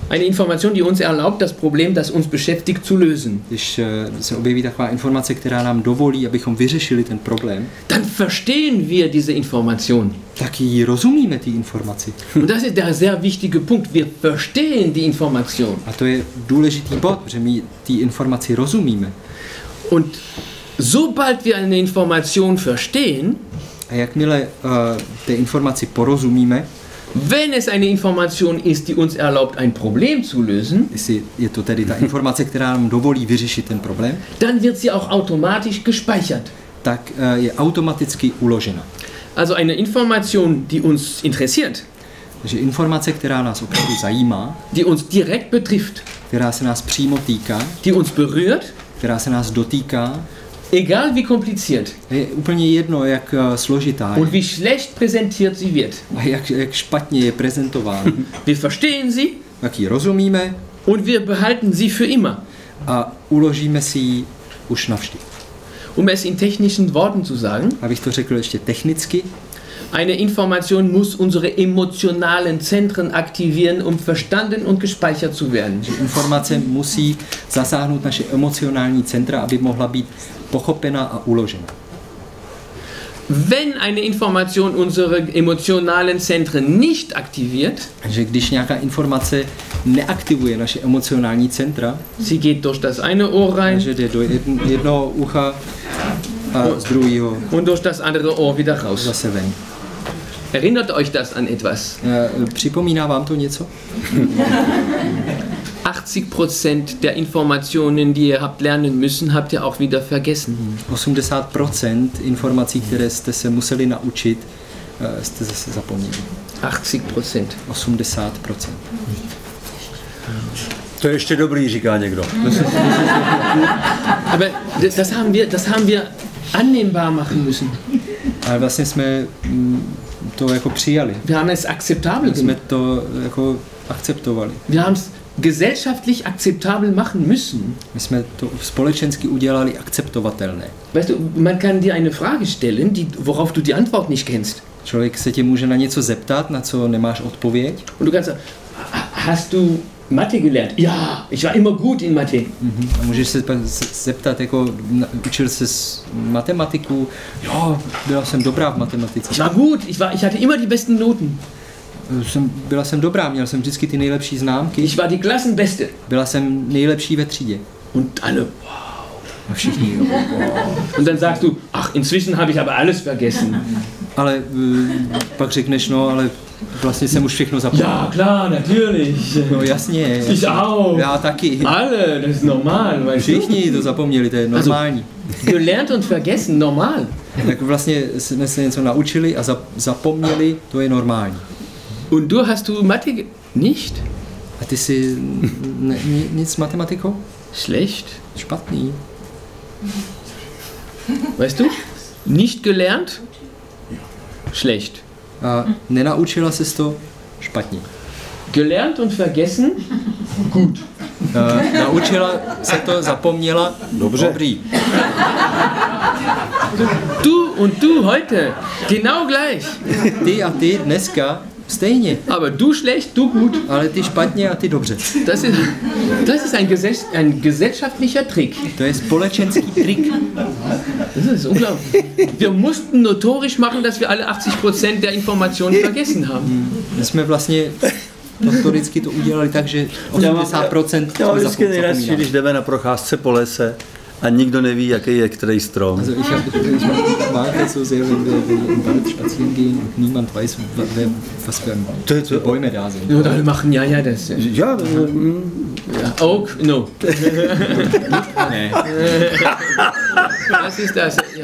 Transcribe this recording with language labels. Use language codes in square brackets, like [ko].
[de] eine Information, die uns erlaubt, das Problem, das uns beschäftigt, zu lösen, [cs] když se objeví taková informace, která nám dovolí, abychom vyřešili ten problém, [de] dann verstehen wir diese Information. [cs] Tak ji rozumíme, ty informaci. [de] Und das ist der sehr wichtige Punkt. Wir verstehen die Information. [cs] A to je důležitý bod, že my ty informaci rozumíme. [de] Und sobald wir eine Information verstehen, [cs] a jakmile té informaci porozumíme, [de] wenn es eine Information ist, die uns erlaubt, ein Problem zu lösen, [cs] je to tedy ta informace, která nám dovolí vyřešit ten problém, [de] dann wird sie auch automatisch gespeichert. [cs] Tak je automaticky uložena. [de] Also eine Information, die uns interessiert, [cs] že informace, která nás opravdu zajímá, [de] die uns direkt betrifft, [cs] která se nás přímo týká, [de] die uns berührt, [cs] která se nás dotýká, [de] egal wie kompliziert. [cs] Je úplně jedno, jak složitá. [de] Und wie schlecht präsentiert sie wird. [cs] A jak špatně je prezentována. [de] Wir verstehen sie. [cs] Tak ji rozumíme. [de] Und wir behalten sie für immer. [cs] A uložíme si ji už navždy. [de] Um es in technischen Worten zu sagen. [cs] Abych to řekl ještě technicky. [de] Eine Information muss unsere emotionalen Zentren aktivieren, um verstanden und gespeichert zu werden. [cs] Že informace musí zasáhnout naše emocionální centra, aby mohla být pochopena a uložena. [de] Wenn eine Information unsere emotionalen Zentren nicht aktiviert, [cs] že když nějaká informace neaktivuje naše emocionální centra, [de] sie geht durch das eine Ohr rein, [cs] že jde do jednoho ucha a z druhého, [de] und durch das andere Ohr wieder raus. [cs] Zase ven. [de] Erinnert euch das an etwas? [cs] Připomíná vám to něco? [de] 80% der Informationen, die ihr habt lernen müssen, habt ihr auch wieder vergessen. [cs] 80% informací, které jste se museli naučit, jste zase zapomněli. [de] 80%. [cs] 80%. To je ještě dobrý, říká někdo. [de] Aber das haben wir annehmbar machen müssen. [cs] Ale vlastně jsme to jako přijali. [de] Wir haben es akzeptabel. [cs] Jsme to jako akceptovali. [de] Wir haben es gesellschaftlich akzeptabel machen müssen. [cs] My jsme to společensky udělali akceptovatelné. [de] Weißt du, man kann dir eine Frage stellen, worauf du die Antwort nicht kennst. [cs] Člověk se tě může na něco zeptat, na co nemáš odpověď. [de] Und du kannst sagen, hast du Mathe gelernt? Ja, ich war immer gut in Mathe. [cs] Mhm. A můžeš se zeptat, jako učil jsi matematiku? Jo, byla jsem dobrá v matematice. [de] Ich war gut, ich hatte immer die besten Noten. [cs] Byla jsem dobrá, měl jsem vždycky ty nejlepší známky. [de] Ich war die Klassenbeste. [cs] Byla jsem nejlepší ve třídě. [de] Und alle, wow. [cs] A všichni, jo, wow. [de] Und dann sagst du, ach, inzwischen habe ich aber alles vergessen. [cs] Ale pak řekneš, no, ale vlastně jsem už všechno zapomněl. [de] Ja, klar, natürlich. [cs] No, jasně. [de] Ich auch. [cs] Já taky. [de] Alle, das ist normal, weißt du? [cs] Všichni to zapomněli, to je normální. [de] Also, gelernt und vergessen, normal. [cs] Tak vlastně jsme se něco naučili a zapomněli, to je normální. [de] Und du hast du Mathe nicht? [cs] A ty jsi nic s matematikou? [de] Schlecht. [cs] Špatný. [de] Weißt du? Nicht gelernt? Schlecht. [cs] A nenaučila ses to? Špatně. [de] Gelernt und vergessen? Gut. [cs] Naučila se to, zapomněla? Dobře. Dobrý. [de] Du und du heute. Genau gleich. [cs] Ty a ty dneska. Stejně. [de] Aber du schlecht, du gut. [cs] Ale ty špatně a ty dobře. [de] Das ist ein gesellschaftlicher Trick. [cs] To je společenský trik. [de] Das ist unglaublich. Wir mussten notorisch machen, dass wir alle 80% der Informationen vergessen haben. [cs] My jsme vlastně notoricky to udělali tak, že 80% jsme zapomněli. Já vždycky nejradši, když jdeme na procházce po lese A nikdo neví, jaký je který strom. [de] Also ich habe manchmal so sehr, wenn wir im Wald spazieren gehen und niemand weiß, was für Bäume da sind. Oder wir machen ja das. Ja. [en] Oak? No. [de] Was ist das?